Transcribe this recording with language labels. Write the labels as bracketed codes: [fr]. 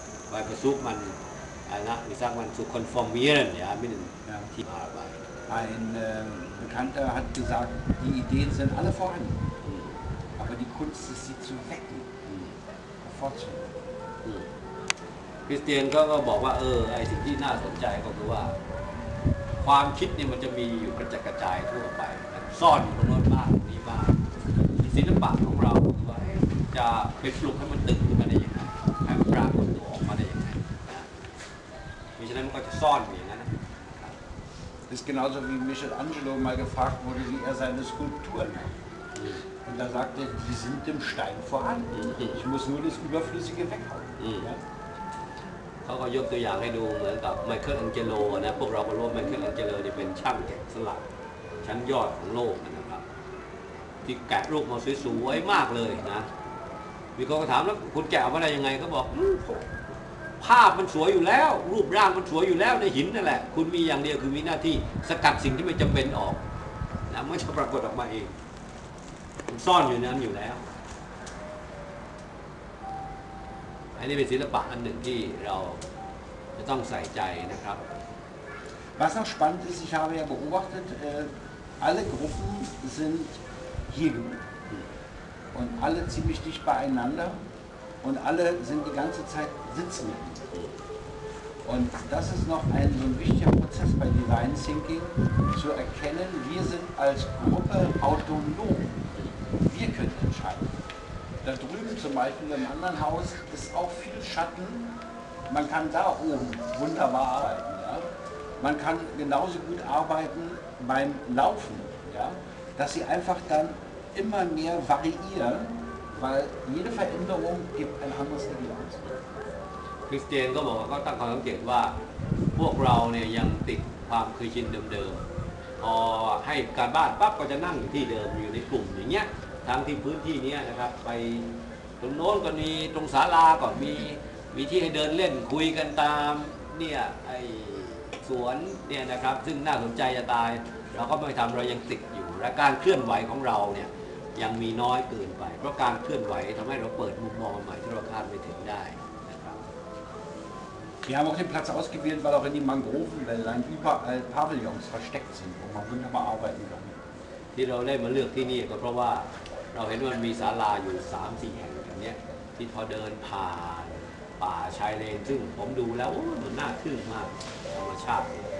[de] Weil versucht man, wie sagt man, zu konformieren, ja, mit dem Teamarbeit. Ein Bekannter hat gesagt, die Ideen sind alle vorhanden, aber die Kunst ist, sie zu wecken, hervorzuheben. [th] Christian ก็บอกว่าไอ้สิ่งที่น่าสนใจก็คือว่าความคิดเนี่ยมันจะมีอยู่กระจัดกระจายทั่วไปซ่อนอยู่ตรงโน้นบ้างตรงนี้บ้างที่ศิลปะของเราจะเป็นปลุกให้มันตึงขึ้นมาได้ยังไงให้มันปรากฏตัวออกมาได้ยังไงมิฉะนั้นมันก็จะซ่อนอยู่อย่างนั้น [de] Is t genauso wie Michelangelo mal gefragt wurde, wie seine Skulpturen hat. Und da sagte er, die sind im Stein vorhanden. Ich muss nur das Überflüssige weghauen. [th] เขาก็ยกตัวอย่างให้ดูเหมือนกับไมเคิลแองเจโลนะพวกเราก็รู้ไมเคิลแองเจโลนี่เป็นช่างแกะสลักชั้นยอดของโลกนะครับที่แกะรูปมาสวยๆมากเลยนะมีคนก็ถามแล้วคุณแกะมาได้ยังไงเขาบอก ภาพมันสวยอยู่แล้วรูปร่างมันสวยอยู่แล้วในหินนั่นแหละคุณมีอย่างเดียวคือมีหน้าที่สกัดสิ่งที่ไม่จำเป็นออกนะมันจะปรากฏออกมาเองมันซ่อนอยู่ในนั้นอยู่แล้วอันนี้เป็นศิลปะอันหนึ่งที่เราจะต้องใส่ใจนะครับ [de] Was auch spannend ist, ich habe ja beobachtet, alle Gruppen sind hier und alle ziemlich dicht beieinander und alle sind die ganze Zeit sitzen. Und das ist noch ein so ein wichtiger Prozess bei Design Thinking, zu erkennen, wir sind als Gruppe autonom. Wir können entscheiden. Da drüben zum Beispiel im anderen Haus ist auch viel Schatten. Man kann da oben wunderbar arbeiten. Ja? Man kann genauso gut arbeiten beim Laufen. Ja? Dass sie einfach dann immer mehr variieren, weil jede Veränderung gibt ein anderes Ergebnis. [th] คริสเตียนก็บอกว่าก็ตั้งความสังเกตว่าพวกเราเนี่ยยังติดความเคยชินเดิมๆพอให้การบ้านปั๊บก็จะนั่งอยู่ที่เดิมอยู่ในกลุ่มอย่างเงี้ยทั้งที่พื้นที่นี้นะครับไปตรงโน้นก็มีตรงศาลาก็มีที่ให้เดินเล่นคุยกันตามเนี่ยไอ้สวนเนี่ยนะครับซึ่งน่าสนใจจะตายเราก็ไม่ทำเรายังติดอยู่และการเคลื่อนไหวของเราเนี่ยยังมีน้อยเกินไปเพราะการเคลื่อนไหวทำให้เราเปิดมุมมองใหม่ที่เราคาดไม่ถึงได้ [de] Wir haben auch den Platz ausgewählt, weil auch in den Mangrovenwäldern überall Pavillons versteckt sind, wo man wunderbar arbeiten kann. Die Leute haben hier gewählt, weil wir haben gesehen, dass es 3-4 Hände gibt, die vor den Paaren, Paar, Scheilen, die ich mir gesehen habe, und es ist nahe kühl, man kann es schaffen.